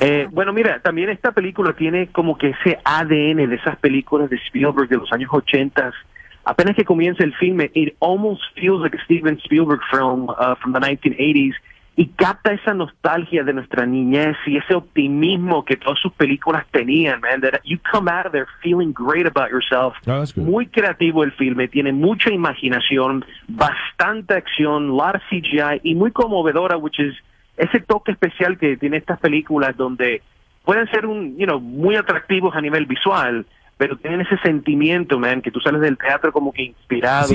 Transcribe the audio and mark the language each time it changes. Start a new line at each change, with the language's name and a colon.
Spanish: Bueno, mira, también esta película tiene como que ese ADN de esas películas de Spielberg de los años 80s. Apenas que comienza el filme,
English: it almost feels like a Steven Spielberg film from the 1980s.
Spanish: Y capta esa nostalgia de nuestra niñez y ese optimismo que todas sus películas tenían, man.
English: That you come out of there feeling great about yourself. Oh, that's good.
Spanish: Muy creativo el filme, tiene mucha imaginación, bastante acción,
English: a lot of CGI,
Spanish: y muy conmovedora,
English: which is
Spanish: ese toque especial que tiene estas películas donde pueden ser muy atractivos a nivel visual, pero tienen ese sentimiento, man, que tú sales del teatro como que inspirado.